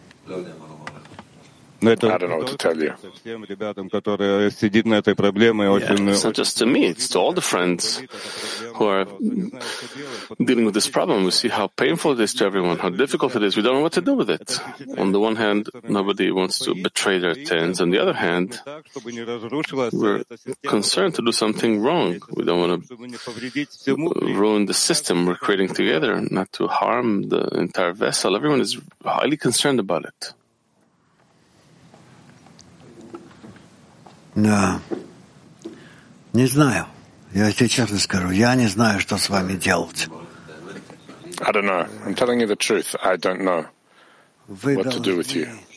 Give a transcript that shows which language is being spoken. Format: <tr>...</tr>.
<en>I don't know what to tell you.</en> <ru>Всем ребятам, которые сидят на этой проблеме, очень.</ru> <en>It's not just to me; it's to all the friends who are dealing with this problem. We see how painful it is to everyone, how difficult it is. We don't know what to do with it. On the one hand, nobody wants to betray their tens. On the other hand, we're concerned to do something wrong. We don't want to ruin the system we're creating together, not to harm the entire vessel. Everyone is highly concerned about it. No.</en> <ru>Не знаю. Я тебе честно скажу, я не знаю, что с вами делать.</ru> <en>I don't know. I'm telling you the truth. I don't know what to do with you.</en>